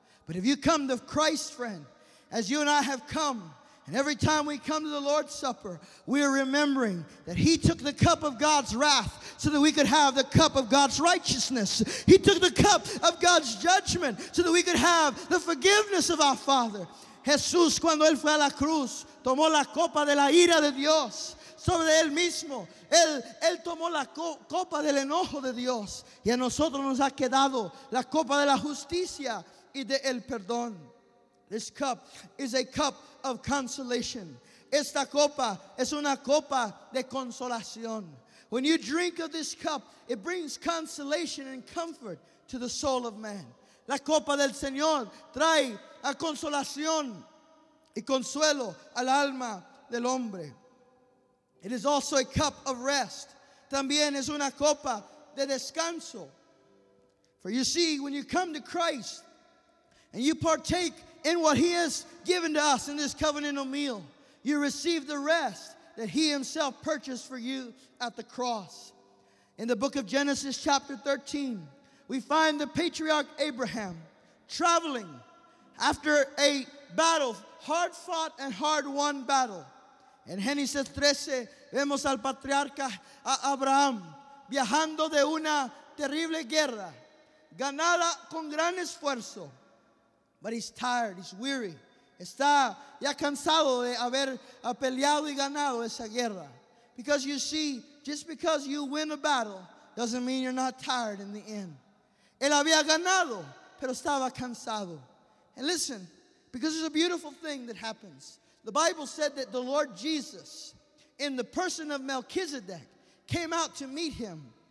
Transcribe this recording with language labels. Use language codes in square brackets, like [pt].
[en] But if you come to Christ, friend, as you and I have come, and every time we come to the Lord's Supper, we are remembering that He took the cup of God's wrath so that we could have the cup of God's righteousness. He took the cup of God's judgment so that we could have the forgiveness of our Father. [es] Jesús, cuando Él fue a la cruz, tomó la copa de la ira de Dios sobre Él mismo. Él tomó la copa del enojo de Dios. Y a nosotros nos ha quedado la copa de la justicia y de el perdón. [en] This cup is a cup of consolation. [es] Esta copa es una copa de consolación. [en] When you drink of this cup, it brings consolation and comfort to the soul of man. [es] La copa del Señor trae a consolación y consuelo al alma del hombre. [en] It is also a cup of rest. [es] También es una copa de descanso. [en] For you see, when you come to Christ and you partake in what He has given to us in this covenantal meal, you receive the rest that He Himself purchased for you at the cross. In the book of Genesis chapter 13, we find the patriarch Abraham traveling after a battle, hard fought and hard won battle. In Genesis 13, [es] vemos al patriarca Abraham viajando de una terrible guerra, ganada con gran esfuerzo. [en] But he's tired, he's weary. [es] Está ya cansado de haber peleado y ganado esa guerra. [en] Because you see, just because you win a battle doesn't mean you're not tired in the end. [es] Él había ganado, pero estaba cansado. [en] And listen, because there's a beautiful thing that happens. The Bible said that the Lord Jesus, in the person of Melchizedek, came out to meet him.